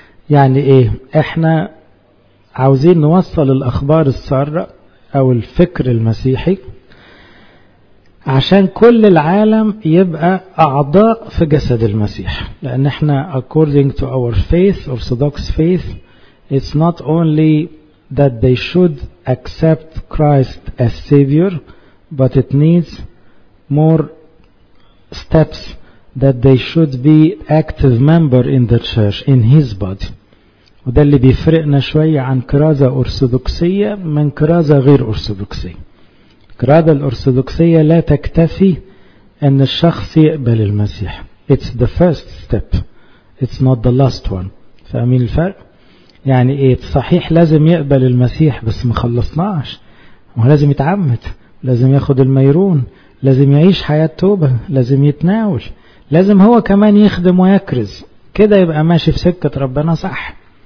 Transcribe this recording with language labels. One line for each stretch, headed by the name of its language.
Arabic: يعني ايه؟ احنا عاوزين نوصل الأخبار السارة أو الفكر المسيحي عشان كل العالم يبقى أعضاء في جسد المسيح، لأن احنا
English: according to our faith, orthodox faith, it's not only that they should accept Christ as savior but it needs more steps that they should be active member in the church, in his body.
Arabic: وده اللي بيفرقنا شوية عن كرازة أرثوذكسية من كرازة غير أرثوذكسية. كرازة الأرثوذكسية لا تكتفي أن الشخص يقبل المسيح،
English: it's the first step it's not the last one.
Arabic: فاهمين الفرق؟ يعني ايه؟ صحيح لازم يقبل المسيح بس مخلصناش، ولازم يتعمد، لازم ياخد الميرون، لازم يعيش حياة توبة، لازم يتناول، لازم هو كمان يخدم ويكرز، كده يبقى ماشي في سكة ربنا صح.